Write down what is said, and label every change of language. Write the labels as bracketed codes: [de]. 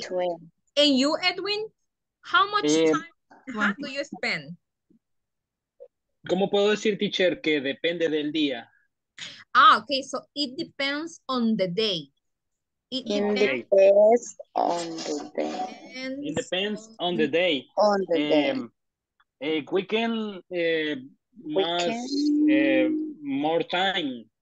[en] 20. And you, Edwin, how much time do you spend? [es] ¿Cómo puedo decir, teacher, que depende del día? [en] Ah, okay, so it depends on the day. It depends on the day. It depends on the day. On the day. Weekend, more time.